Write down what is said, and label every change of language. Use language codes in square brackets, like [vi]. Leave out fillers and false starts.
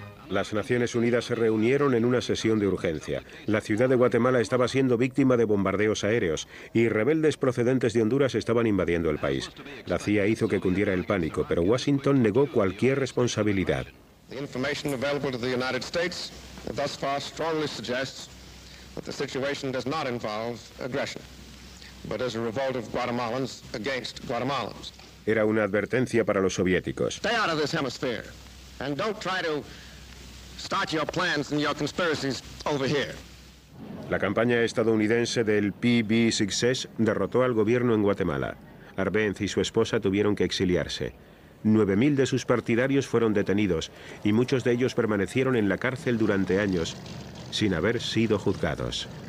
[es] Las Naciones Unidas se reunieron en una sesión de urgencia. La ciudad de Guatemala estaba siendo víctima de bombardeos aéreos y rebeldes procedentes de Honduras estaban invadiendo el país. La CIA hizo que cundiera el pánico, pero Washington negó cualquier responsabilidad. [en] The information available to the United States thus far strongly suggests that the situation does not involve aggression, but as a revolt of Guatemalans against Guatemalans. [es] Era una advertencia para los soviéticos. [en] Stay out of this hemisphere and don't try to start your plans and your conspiracies over here. [es] La campaña estadounidense del PB Success derrotó al gobierno en Guatemala. Arbenz y su esposa tuvieron que exiliarse. 9.000 de sus partidarios fueron detenidos y muchos de ellos permanecieron en la cárcel durante años sin haber sido juzgados.